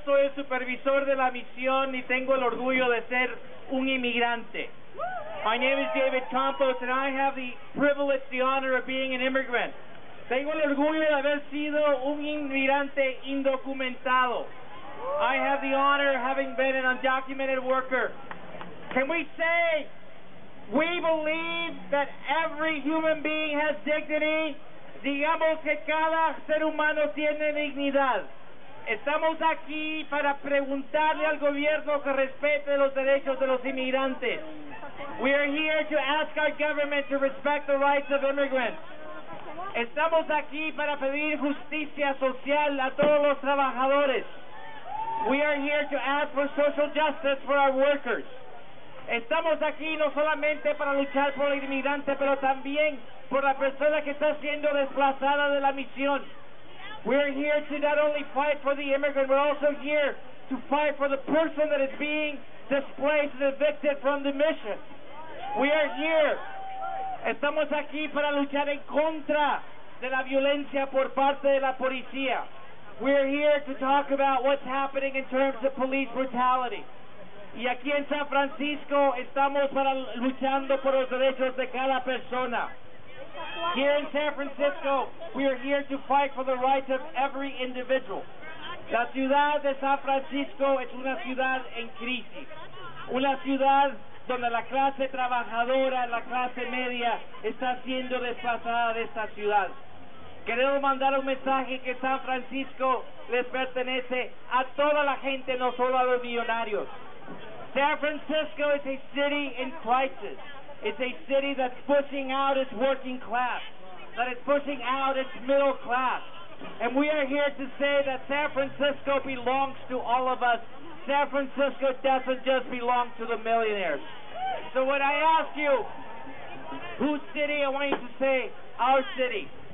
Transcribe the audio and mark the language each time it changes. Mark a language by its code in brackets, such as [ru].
[es] Soy el supervisor de la misión y tengo el orgullo de ser un inmigrante. [en] My name is David Campos, and I have the privilege, the honor of being an immigrant. [es] Tengo el orgullo de haber sido un inmigrante indocumentado. [en] I have the honor of having been an undocumented worker. Can we say we believe that every human being has dignity? [es] Digamos que cada ser humano tiene dignidad. Estamos aquí para preguntarle al gobierno que respete los derechos de los inmigrantes. [en] We are here to ask our government to respect the rights of immigrants. [es] Estamos aquí para pedir justicia social a todos los trabajadores. [en] We are here to ask for social justice for our workers. [es] Estamos aquí no solamente para luchar por el inmigrante, pero también por la persona que está siendo desplazada de la misión. [en] We are here to not only fight for the immigrant, but also here to fight for the person that is being displaced and evicted from the mission. We are here. [es] Estamos aquí para luchar en contra de la violencia por parte de la policía. [en] We are here to talk about what's happening in terms of police brutality. [es] Y aquí en San Francisco estamos para luchando por los derechos de cada persona. [en] Here in San Francisco, we are here to fight for the rights of every individual. [es] La ciudad de San Francisco es una ciudad en crisis. Una ciudad donde la clase trabajadora, la clase media, está siendo desplazada de esta ciudad. Queremos mandar un mensaje que San Francisco les pertenece a toda la gente, no solo a los millonarios. [en] San Francisco is a city in crisis. It's a city that's pushing out its working class, that is pushing out its middle class. And we are here to say that San Francisco belongs to all of us. San Francisco doesn't just belong to the millionaires. So when I ask you, whose city, I want you to say, our city.